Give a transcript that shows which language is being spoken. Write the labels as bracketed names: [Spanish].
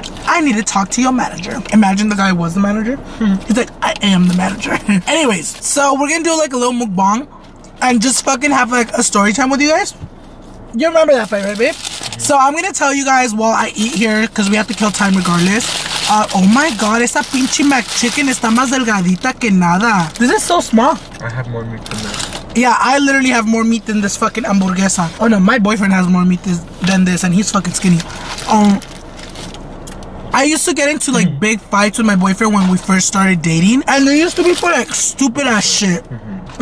[English] I need to talk to your manager. Imagine the guy was the manager. Mm-hmm. He's like, I am the manager. Anyways, so we're gonna do like a little mukbang and just fucking have like a story time with you guys. You remember that fight, right, babe? So I'm gonna tell you guys while I eat here, cause we have to kill time regardless. Oh my god, [Spanish] esa pinche mac chicken está más delgadita que nada. [English] This is so small. I have more meat than this. Yeah, I literally have more meat than this fucking hamburguesa. Oh no, my boyfriend has more meat than this and he's fucking skinny. I used to get into like big fights with my boyfriend when we first started dating. And it used to be for like stupid ass shit. Mm-hmm.